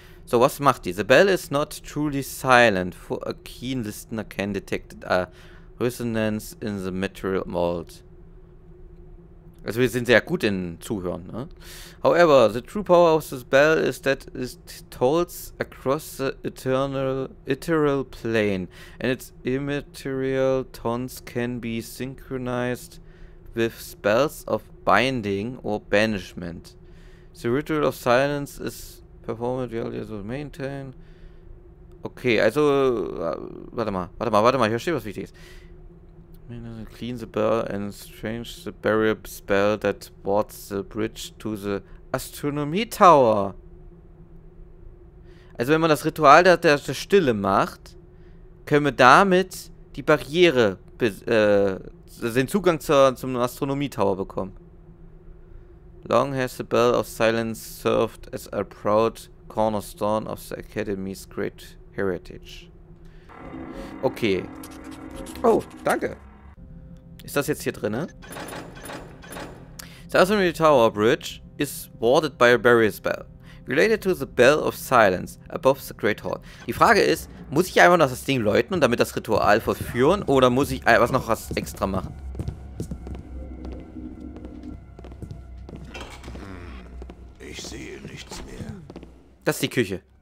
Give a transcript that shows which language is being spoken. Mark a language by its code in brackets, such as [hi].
[de] So, was macht die? [en] The Bell is not truly silent, for a keen listener can detect a resonance in the material mold. [de] Also wir sind sehr gut in Zuhören, ne? [en] However, the true power of this bell is that it tolls across the ethereal plane, and its immaterial tones can be synchronized with spells of binding or banishment. The ritual of silence is performed yearly to maintain. [de] Okay, also warte mal, ich verstehe, was wichtig ist. [en] Clean the bell and change the barrier spell that wards the bridge to the Astronomy Tower. [de] Also wenn man das Ritual der Stille macht, können wir damit die Barriere, den Zugang zum Astronomie Tower bekommen. [en] Long has the Bell of Silence served as a proud cornerstone of the Academy's great heritage. Okay. [de] Oh, danke. Ist das jetzt hier drin, ne? [en] The Astronomy Tower Bridge is warded by a barrier spell. Related to the Bell of Silence above the Great Hall. [de] Die Frage ist, muss ich einfach noch das Ding läuten und damit das Ritual vollführen oder muss ich was noch was extra machen? Ich sehe nichts mehr. Das ist die Küche.